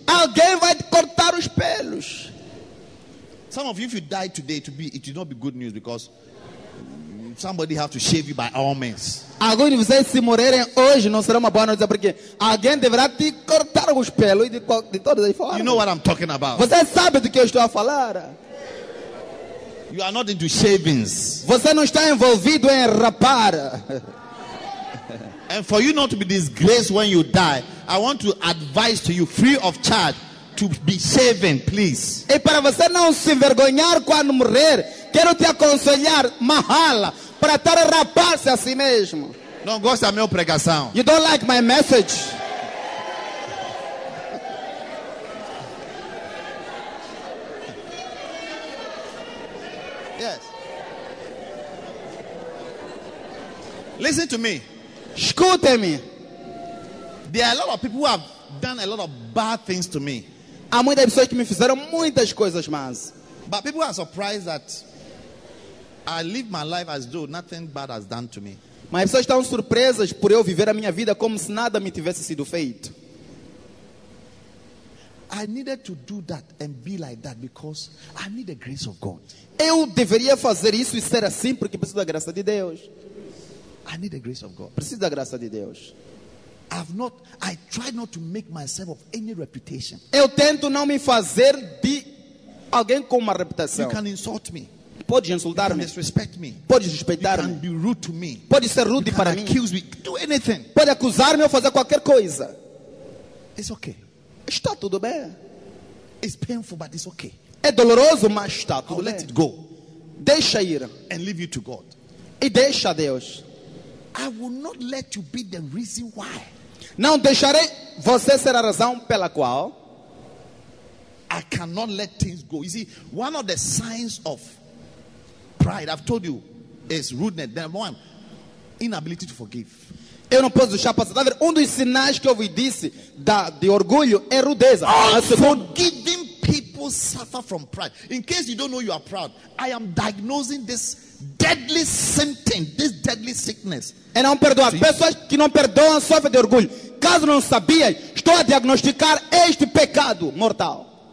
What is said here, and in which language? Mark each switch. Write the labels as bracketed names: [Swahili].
[Portuguese] Alguém vai te cortar os pelos. [English] Some of you, if you die today, it will not be good news because somebody has to shave you by all means. [Portuguese] Alguns de vocês, se morrerem hoje, não será uma boa notícia porque alguém deverá te cortar os pelos de todas as formas. [English] You know what I'm talking about. [Portuguese] Você sabe do que eu estou a falar. [English] You are not into shavings. [Portuguese] Você não está envolvido em rapar. [English] And for you not to be disgraced when you die, I want to advise to you, free of charge, to be shaven, please. [Portuguese] E para você não se envergonhar quando morrer, quero te aconselhar, mahala, para estar a rapar-se a si mesmo. Não gosta da minha pregação. [English] You don't like my message. Yes. Listen to me. [Portuguese] Escute-me. [English] There are a lot of people who have done a lot of bad things to me. [Portuguese] Há muitas pessoas que me fizeram muitas coisas más. [English] But people are surprised that I live my life as though nothing bad has done to me. [Portuguese] Mas as pessoas estão surpresas por eu viver a minha vida como se nada me tivesse sido feito. [English] I needed to do that and be like that because I need the grace of God. [Portuguese] Eu deveria fazer isso e ser assim porque preciso da graça de Deus. [English] I need the grace of God. [Portuguese] Preciso da graça de Deus. [English] I try not to make myself of any reputation. [Portuguese] Eu tento não me fazer de alguém com uma reputação. [English] You can insult me. [Portuguese] Pode insultar-me. [English] You can disrespect me. [Portuguese] Pode desrespeitar-me. [English] You can be rude to me. [Portuguese] Pode ser rude [English] you [Portuguese] para [English] can [Portuguese] mim. [English] Accuse me. Do anything. [Portuguese] Pode acusar-me ou fazer qualquer coisa. [English] It's okay. [Portuguese] Está tudo bem. [English] It's painful, but it's okay. [Portuguese] É doloroso, mas está tudo [English] I'll [Portuguese] bem. [English] Let it go. [Portuguese] Deixa ir. [English] And leave you to God. [Portuguese] E deixa a Deus. [English] I will not let you be the reason why. [Portuguese] Não deixarei você ser a razão pela qual. [English] I cannot let things go. You see, one of the signs of pride, I've told you, is rudeness. The one, inability to forgive. [Portuguese] Eu não posso deixar passar. Um dos sinais que eu vi disse de orgulho é rudeza. [English] Unforgiving people suffer from pride. In case you don't know, you are proud. I am diagnosing this deadly symptom, this deadly sickness. [Portuguese] É não perdoar. Pessoas que não perdoam sofrem de orgulho. Caso não sabia, estou a diagnosticar este pecado mortal.